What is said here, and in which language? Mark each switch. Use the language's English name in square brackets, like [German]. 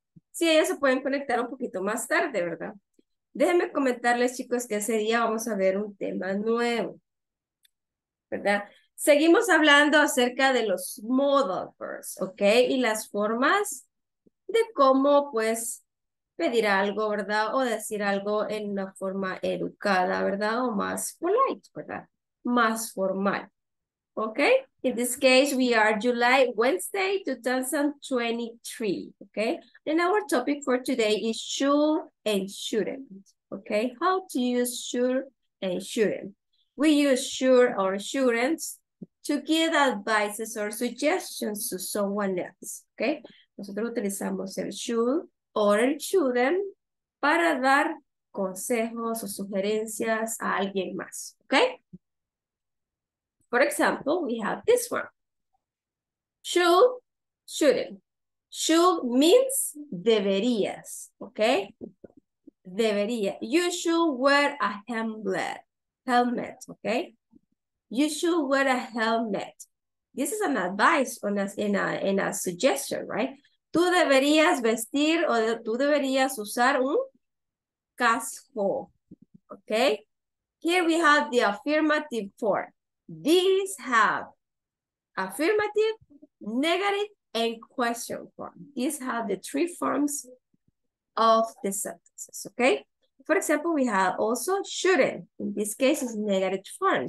[Spanish] Sí, ellos se pueden conectar un poquito más tarde, ¿verdad? Déjenme comentarles, chicos, que ese día vamos a ver un tema nuevo, ¿verdad? Seguimos hablando acerca de los modal verbs, ¿ok? Y las formas de cómo, pues, pedir algo, ¿verdad? O decir algo en una forma educada, ¿verdad? O más polite, ¿verdad? Más formal, ¿ok? [English] In this case, we are July Wednesday, 2023, okay? And our topic for today is should and shouldn't, okay? How to use should and shouldn't. We use should or shouldn't to give advices or suggestions to someone else, okay? [Spanish] Nosotros utilizamos el should or el shouldn't para dar consejos o sugerencias a alguien más, okay? [English] For example, we have this one. Should, shouldn't. Should means deberías, okay? Debería. You should wear a helmet, okay? You should wear a helmet. This is an advice on a, in a suggestion, right? [Spanish] Tú deberías vestir o tú deberías usar un casco, okay? [English] Here we have the affirmative form. These have, affirmative, negative, and question form. These have the three forms of the sentences, okay? For example, we have also shouldn't. In this case, it's negative form.